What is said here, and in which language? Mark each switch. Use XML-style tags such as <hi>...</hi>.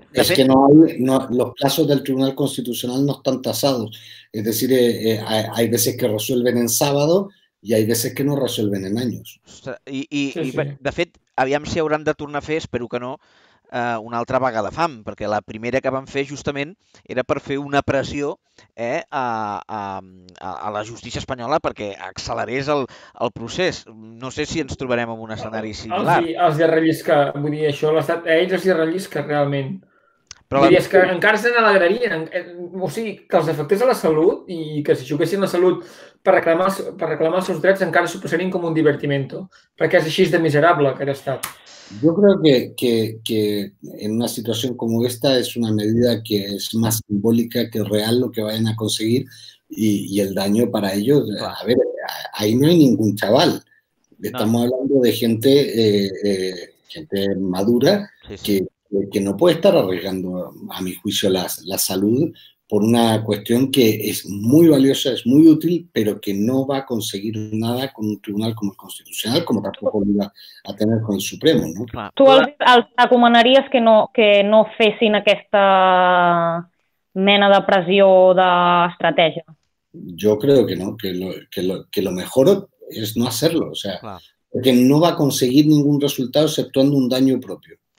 <ca>És que</ca> <es>no, los plazos del Tribunal Constitucional no están tasados. Es decir, hay veces que resuelven en sábado y hay veces que no resuelven en años.</es> <ca>Ostres, de fet, aviam si hauran de tornar a fer, espero que no, una altra vaga de fam, perquè la primera que van fer justament era per fer una pressió a la justícia espanyola perquè accelerés el procés. No sé si ens trobarem en un escenari similar. Els hi rellisca, vull dir, això, l'estat, a ells els hi rellisca realment. Però vull dir, és que encara se n'alegrarien, o sigui, que els afectés a la salut i que si juguessin la salut per reclamar els seus drets encara s'ho passarien com un divertimento, perquè és així de miserable que ha estat.</ca> <es>Yo creo que en una situación como esta es una medida que es más simbólica que real lo que vayan a conseguir y el daño para ellos. A ver, ahí no hay ningún chaval. Estamos hablando de gente madura que no puede estar arriesgando, a mi juicio, la salud por una cuestión que es muy valiosa, es muy útil, pero que no va a conseguir nada con un tribunal como el Constitucional, como tampoco lo iba a tener con el Supremo, ¿no?</es> <ca>¿Tú els recomanaries que no fessin aquesta mena de pressió d'estratègia?</ca> <es>Yo creo que no, que lo mejor es no hacerlo, o sea, porque no va a conseguir ningún resultado exceptuando un daño propio.</es>